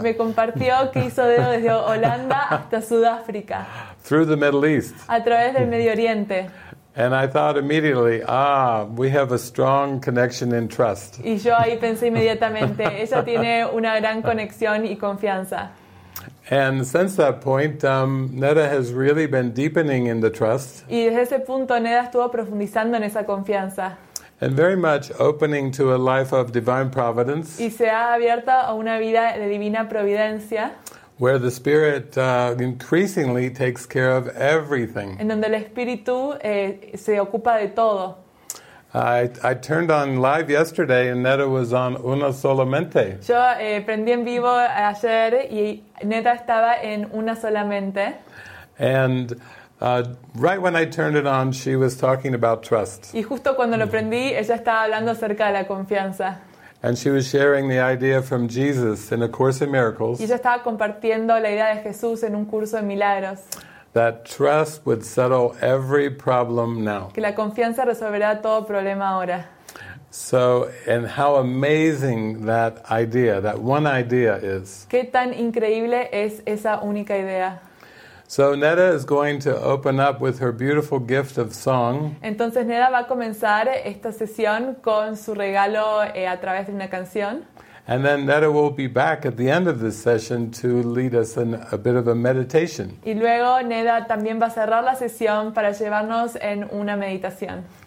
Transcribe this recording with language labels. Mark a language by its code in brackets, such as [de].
[es] Me compartió que hizo desde Holanda hasta Sudáfrica. [en] Through the Middle East. [es] A través del Medio Oriente. [en] And I thought immediately, ah, we have a strong connection and trust. [es] Y yo ahí pensé inmediatamente, ella tiene una gran conexión y confianza. [en] And since that point, Neda has really been deepening in the trust. [es] Y desde ese punto, Neda estuvo profundizando en esa confianza. [en] And very much opening to a life of divine providence. [es] Y se ha abierto a una vida de divina providencia. [en] Where the Spirit increasingly takes care of everything. [es] En donde el Espíritu se ocupa de todo. [en] I turned on live yesterday and Neda was on Una Solamente. [es] Yo prendí en vivo ayer y Neda estaba en Una Solamente. [en] And right when I turned it on, she was talking about trust. [es] Y justo cuando lo prendí, ella estaba hablando acerca de la confianza. [en] And she was sharing the idea from Jesus in A Course in Miracles. [es] Y ella estaba compartiendo la idea de Jesús en un curso de milagros. [en] That trust would settle every problem now. [es] Que la confianza resolverá todo problema ahora. [en] So, and how amazing that idea, that one idea is. [es] Qué tan increíble es esa única idea. [en] So Neda is going to open up with her beautiful gift of song. [es] Entonces Neda va a comenzar esta sesión con su regalo a través de una canción. [en] And then Neda will be back at the end of this session to lead us in a bit of a meditation. [es] Y luego Neda también va a cerrar la sesión para llevarnos en una meditación.